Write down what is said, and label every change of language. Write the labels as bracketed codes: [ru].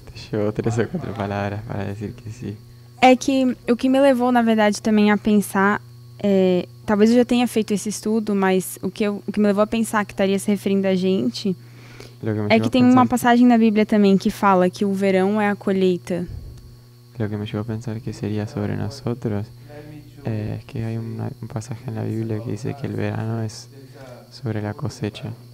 [es] Te llevo 3 o 4 palabras para decir que sí. [pt] É que o que me levou, na verdade, também a pensar, talvez eu já tenha feito esse estudo, mas o que me levou a pensar que estaria se referindo a gente, é que tem uma passagem na Bíblia também que fala que o verão é a colheita. [es] Lo que me llevó a pensar que sería sobre nosotros es que hay un pasaje en la Biblia que dice que el verano es sobre la cosecha.